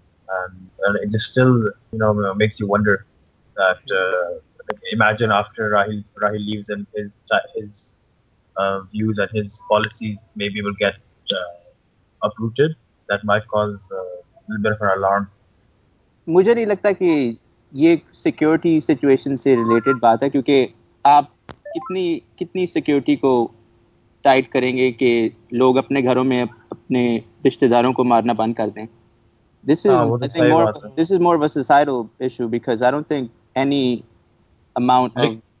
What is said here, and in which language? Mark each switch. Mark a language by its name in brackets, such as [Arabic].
[English] And it just still, you know, makes you wonder that, imagine after Rahil leaves and his views and his policies maybe will get uprooted, that might cause a little bit of an alarm. [Hindi] Mujhe nahi lagta ki ye security situation se related baat hai, kyunki aap कितनी security को tight करेंगे कि लोग अपने घरों में अपने रिश्तेदारों को मारना बंद कर दें. [English] This is more of a societal issue, because I don't think any amount of